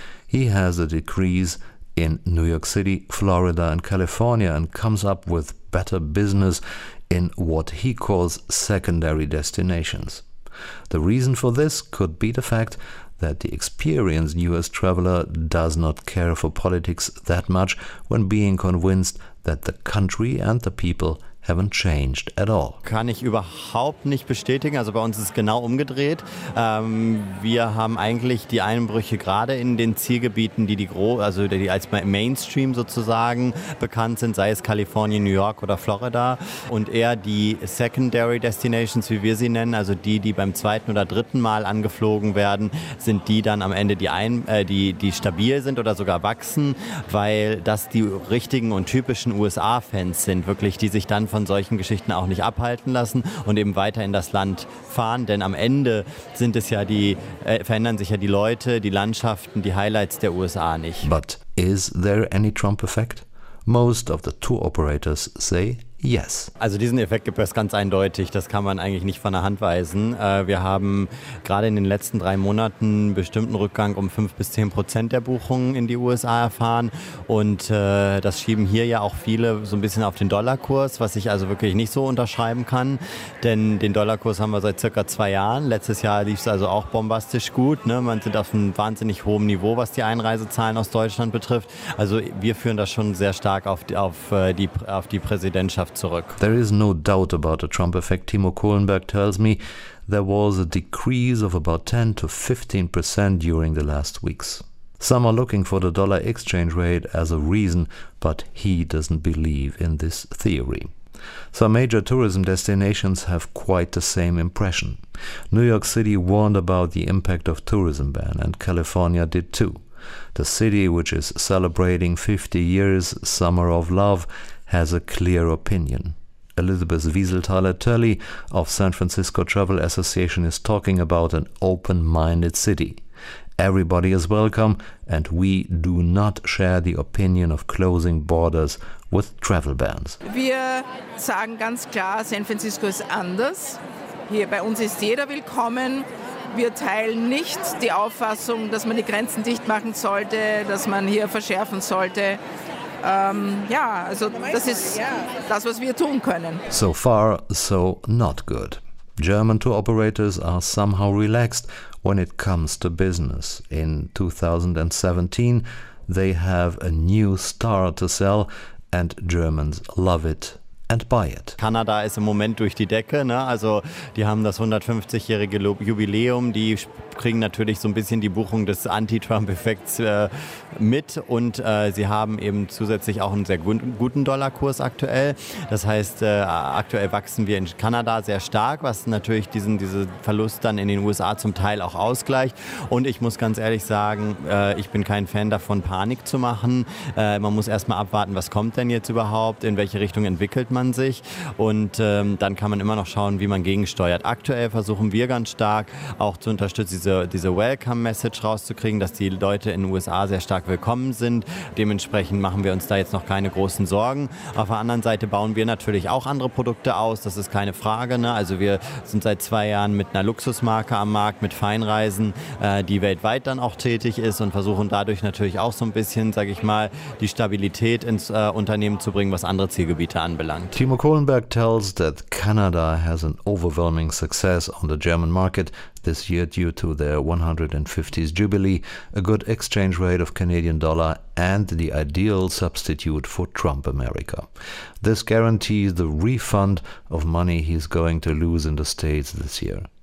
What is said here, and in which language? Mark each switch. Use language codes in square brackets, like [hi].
[en] He has a decrease in New York City, Florida and California and comes up with better business in what he calls secondary destinations. The reason for this could be the fact that the experienced US traveler does not care for politics that much when being convinced that the country and the people haven't changed at all. [de] Kann ich überhaupt nicht bestätigen. Also bei uns ist es genau umgedreht. Wir haben eigentlich die Einbrüche gerade in den Zielgebieten, die als Mainstream sozusagen bekannt sind, sei es Kalifornien, New York oder Florida. Und eher die Secondary Destinations, wie wir sie nennen, also die beim zweiten oder dritten Mal angeflogen werden, sind die dann am Ende die stabil sind oder sogar wachsen, weil das die richtigen und typischen USA-Fans sind, wirklich, die sich dann von solchen Geschichten auch nicht abhalten lassen und eben weiter in das Land fahren, denn am Ende sind es ja verändern sich ja die Leute, die Landschaften, die Highlights der USA nicht. [en] But is there any Trump effect? Most of the tour operators say Yes. [de] Also diesen Effekt gibt es ganz eindeutig, das kann man eigentlich nicht von der Hand weisen. Wir haben gerade in den letzten 3 Monaten einen bestimmten Rückgang um 5-10% der Buchungen in die USA erfahren und das schieben hier ja auch viele so ein bisschen auf den Dollarkurs, was ich also wirklich nicht so unterschreiben kann, denn den Dollarkurs haben wir seit circa 2 Jahren. Letztes Jahr lief es also auch bombastisch gut, ne? Man sind auf einem wahnsinnig hohen Niveau, was die Einreisezahlen aus Deutschland betrifft. Also wir führen das schon sehr stark auf die Präsidentschaft. [en] There is no doubt about the Trump effect. Timo Kohlenberg tells me there was a decrease of about 10-15% during the last weeks. Some are looking for the dollar exchange rate as a reason, but he doesn't believe in this theory. Some major tourism destinations have quite the same impression. New York City warned about the impact of tourism ban, and California did too. The city, which is celebrating 50 years Summer of Love, has a clear opinion. Elizabeth Wieseltaler-Tully of San Francisco Travel Association is talking about an open-minded city. Everybody is welcome, and we do not share the opinion of closing borders with travel bans. [de] Wir sagen ganz klar, San Francisco ist anders. Hier bei uns ist jeder willkommen. Wir teilen nicht die Auffassung, dass man die Grenzen dicht machen sollte, dass man hier verschärfen sollte. Das ist das, was wir tun können. [en] So far, so not good. German tour operators are somehow relaxed when it comes to business. In 2017, they have a new star to sell, and Germans love it. And buy it. [de] Kanada ist im Moment durch die Decke, ne? Also die haben das 150-jährige Jubiläum, die kriegen natürlich so ein bisschen die Buchung des Anti-Trump-Effekts mit und sie haben eben zusätzlich auch einen sehr guten Dollarkurs aktuell. Das heißt, aktuell wachsen wir in Kanada sehr stark, was natürlich diesen Verlust dann in den USA zum Teil auch ausgleicht. Und ich muss ganz ehrlich sagen, ich bin kein Fan davon, Panik zu machen. Man muss erstmal abwarten, was kommt denn jetzt überhaupt, in welche Richtung entwickelt man sich und dann kann man immer noch schauen, wie man gegensteuert. Aktuell versuchen wir ganz stark auch zu unterstützen, diese Welcome-Message rauszukriegen, dass die Leute in den USA sehr stark willkommen sind. Dementsprechend machen wir uns da jetzt noch keine großen Sorgen. Auf der anderen Seite bauen wir natürlich auch andere Produkte aus, das ist keine Frage, ne? Also wir sind seit 2 Jahren mit einer Luxusmarke am Markt, mit Feinreisen, die weltweit dann auch tätig ist und versuchen dadurch natürlich auch so ein bisschen, sag ich mal, die Stabilität ins Unternehmen zu bringen, was andere Zielgebiete anbelangt. [en] Timo Kohlenberg tells that Canada has an overwhelming success on the German market this year due to their 150th jubilee, a good exchange rate of Canadian dollar, and the ideal substitute for Trump America. This guarantees the refund of money he's going to lose in the States this year.